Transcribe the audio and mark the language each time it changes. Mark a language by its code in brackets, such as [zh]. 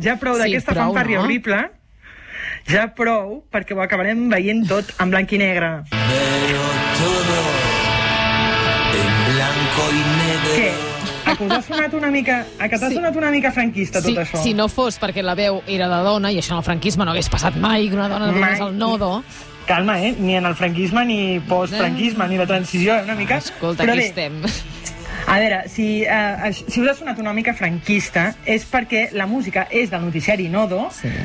[ca] Ja prou d'aquesta fanfària horrible. Ja prou, perquè ho acabarem veient tot en blanc i negre. [es] Veo todo en blanco y negro. [ca] Què? T'ha sonat una mica franquista, tot sí, això. Si no fos perquè la veu era de dona, i això en el franquisme no hagués passat mai, que una dona donés el nodo... Calma, eh? Ni en el franquisme, ni post-franquisme, ni la transició, una mica... Escolta, però aquí bé. Estem... A veure, si us ha sonat una mica franquista, és perquè la música és del noticiari Nodo, sí.